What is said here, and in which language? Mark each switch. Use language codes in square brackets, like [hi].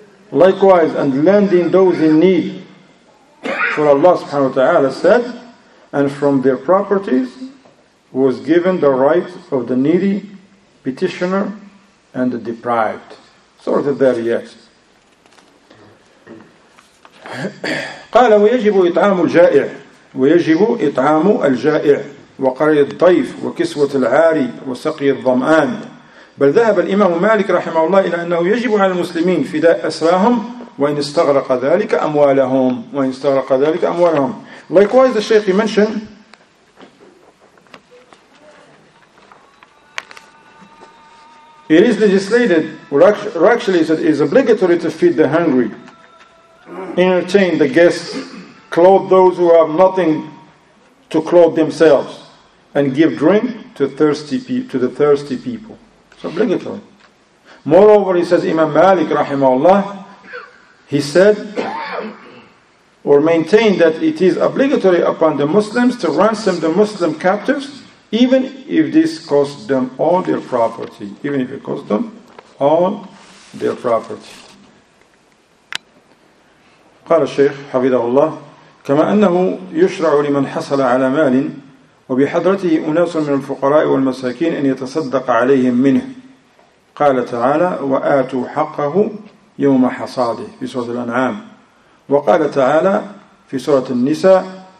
[en] Likewise, and lending those in need, for Allah subhanahu wa ta'ala said, and from their properties, was given the right of the needy, petitioner, and the deprived. Sort of there, yes. [ar] قال ويجب إطعام الجائع ويجب إطعام الجائع وقرية الضيف وكسوة العاري وسقي الظمآن. بل ذهب الإمام مالك رحمه الله إلى أنه يجب على المسلمين فداء أسراهم وإن استغرق ذلك أموالهم وإن استغرق ذلك أموالهم. [en] Likewise, the Sheikh mentioned it is legislated, or actually it is obligatory to feed the hungry, entertain the guests, clothe those who have nothing to clothe themselves, and give drink to the thirsty people. It's obligatory. Moreover, he says, Imam Malik, rahimahullah, he said, or maintained that it is obligatory upon the Muslims to ransom the Muslim captives, even if this cost them all their property. Even if it cost them all their property. [ar] قال الشيخ حفظه الله كما أنه يشرع لمن حصل على مال وبحضرته أناس من الفقراء والمساكين أن يتصدق عليهم منه. قال تعالى وآتوا حقه يوم حصاده في سورة الأنعام. وقال تعالى في سورة النساء